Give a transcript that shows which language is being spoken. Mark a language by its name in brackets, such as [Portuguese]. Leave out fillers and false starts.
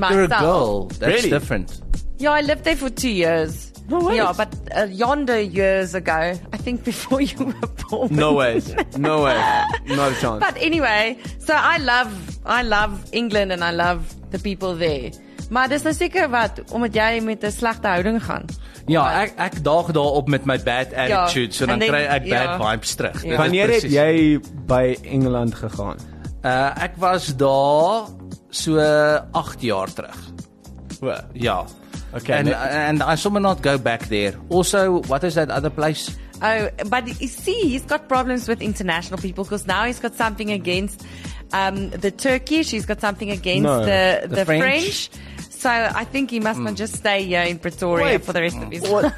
[English] Yeah, but you're a girl. That's different. Yeah, I lived there for 2 years. No way. Yeah, but yonder years ago, I think before you were born. No way. No chance. But anyway, so I love England and I love the people there. [Afrikaans] Maar dis nou seker wat omdat jy met 'n slegte houding gaan. Ja, ek daag daarop met my [English] bad attitude, [Afrikaans] so dan kry ek [English] bad vibes [Afrikaans] terug. Yeah. Wanneer het jy by England gegaan? Ek was daar so 8 jaar terug. O, ja. [English] Okay. And I somehow not go back there. Also, what is that other place? Oh, but you see, he's got problems with international people because now he's got something against the Turkish, he's got something against the French. So I think he must not just stay here in Pretoria for the rest of his life.